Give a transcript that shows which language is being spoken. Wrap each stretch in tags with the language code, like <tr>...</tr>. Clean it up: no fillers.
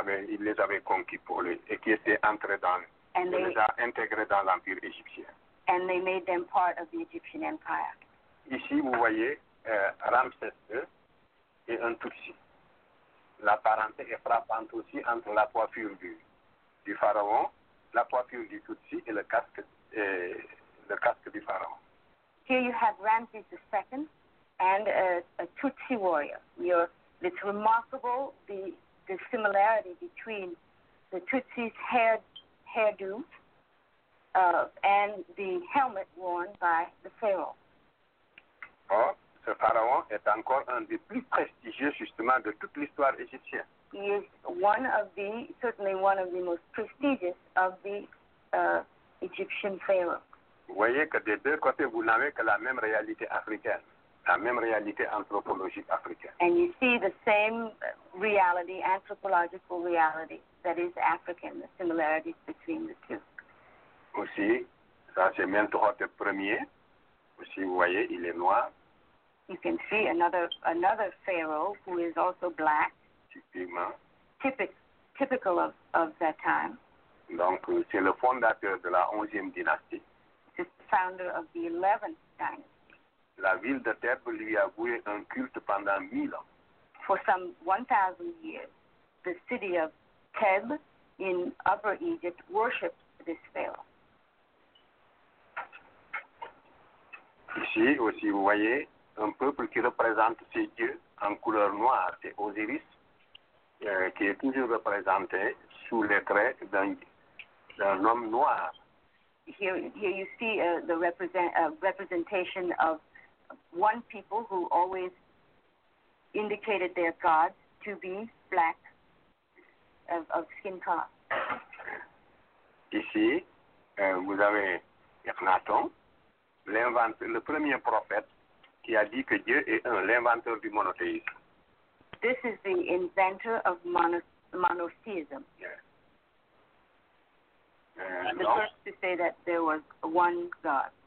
<fr>Il les avait conquis pour lui et qui étaient entrés dans,</fr> <en>and</en> <fr>il les a intégrés dans l'Empire égyptien.</fr> <en>And they made them part of the Egyptian Empire.</en> <fr>Ici, vous voyez Ramsès II et un Tutsi. La parenté est frappante aussi entre la coiffure du pharaon, la coiffure du Tutsi et le casque du pharaon.</fr> <en>Here you have Ramses II and a Tutsi warrior. It's remarkable the similarity between the Tutsi's hairdo and the helmet worn by the pharaoh.</en> <fr>Oh, ce pharaon est encore un des plus prestigieux, justement, de toute l'histoire égyptienne.</fr> <en>He is one of the, certainly one of the most prestigious of the Egyptian pharaoh.</en> <fr>Vous voyez que des deux côtés, vous n'avez que la même réalité africaine, la même réalité anthropologique africaine.</fr> <en>And you see the same reality, anthropological reality, that is African, the similarities between the two.</en> <fr>Aussi, ça c'est Menthotep premier. Aussi, vous voyez, il est noir.</fr> <en>You can see another pharaoh who is also black.</en> <fr>Typiquement.</fr> <en>Typical of that time.</en> <fr>Donc, c'est le fondateur de la 11e dynastie.</fr> <en>Founder of the 11th dynasty.</en> <fr>La ville de Thèbes lui a voué un culte pendant 1000 ans.</fr> <en>For some 1,000 years, the city of Thèbes in Upper Egypt worshipped this pharaoh.</en> <fr>Ici aussi, vous voyez un peuple qui représente ces dieux en couleur noire, c'est Osiris, qui est toujours représenté sous les traits d'un homme noir.</fr> <en>Here you see representation of one people who always indicated their gods to be black, of skin color.</en> <fr>Ici, vous avez Akhenaton, l'inventeur, le premier prophète qui a dit que Dieu est un, l'inventeur du monothéisme.</fr> <en>This is the inventor of monotheism. Yes. The first to say that there was one God.</en>